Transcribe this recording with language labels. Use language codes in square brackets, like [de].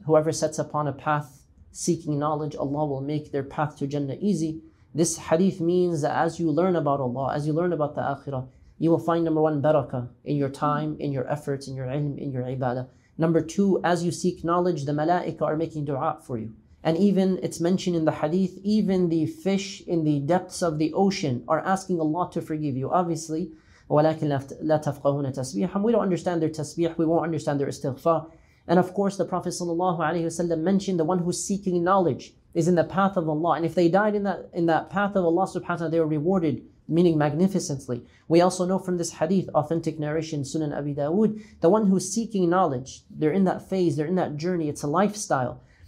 [en] Whoever sets upon a path seeking knowledge, Allah will make their path to Jannah easy. This hadith means that as you learn about Allah, as you learn about the Akhirah, You will find, number one, barakah in your time, in your efforts, in your ilm, in your ibadah. Number two, as you seek knowledge, the malaika are making dua for you. And even, it's mentioned in the hadith, even the fish in the depths of the ocean are asking Allah to forgive you. Obviously, [ar] وَلَكِنْ لَا تَفْقَهُونَ تَسْبِيحًا. [en] We don't understand their tasbih, we won't understand their istighfar. And of course, the Prophet ﷺ mentioned the one who's seeking knowledge is in the path of Allah. And if they died in that path of Allah subhanahu wa ta'ala, they were rewarded, meaning magnificently. We also know from this hadith, authentic narration, Sunan Abi Dawood, the one who's seeking knowledge, they're in that phase, they're in that journey, it's a lifestyle.